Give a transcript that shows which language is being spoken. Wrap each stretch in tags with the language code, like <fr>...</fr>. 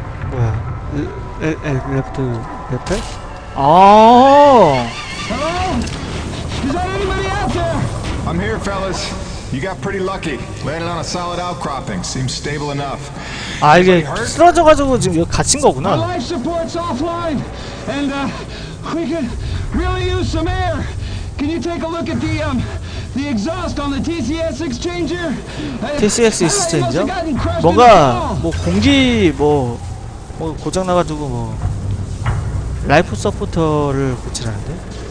<ko>뭐야? 엘프트 옆에? 아!</ko> <en>I'm here, fellas. You got pretty lucky. Landed on a solid outcropping. Seems stable enough.</en> <ko>아, 이게 쓰러져가지고 지금 이거 갇힌 거구나.</ko> <en>The life support's offline, and we could really use some air. Can you take a look at the exhaust on the TCS exchanger? TCS exchanger?</en> <ko>뭔가 뭐 공기 뭐 고장 나가지고 뭐 라이프 서포터를 고치라는데?</ko>